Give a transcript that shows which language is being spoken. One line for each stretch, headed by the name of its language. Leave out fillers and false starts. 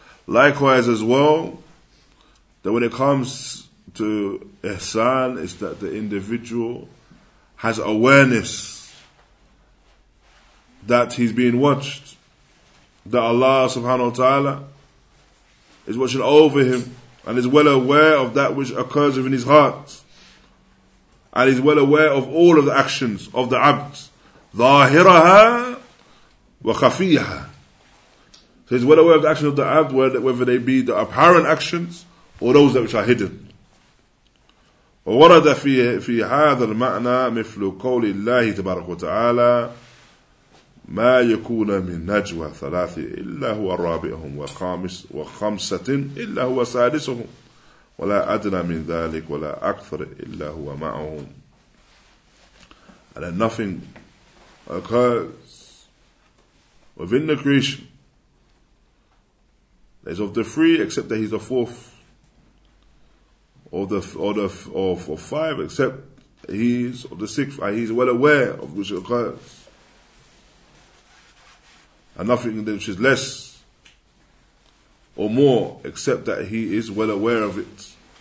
English: Likewise as well, that when it comes to Ihsan, is that the individual has awareness that he's being watched, that Allah subhanahu wa ta'ala is watching over him, and is well aware of that which occurs within his heart, and is well aware of all of the actions of the abd,
Arabic: zahiraha wa khafiyaha.
English: So he's well aware of the actions of the abd, whether they be the apparent actions or those that which are hidden.
Arabic: ورد في هذا المعنى مثل قول الله تبارك وتعالى ما يكون من نجوى ثلاثة إلا هو رابعهم وخمسة إلا هو سادسهم ولا أدنى من ذلك ولا أكثر إلا هو معهم.
English: And then nothing occurs within the creation that is of the three except that he's the fourth, or five, except he's of the sixth, and he's well aware of which occurs, and nothing which is less or more, except that he is well aware of it.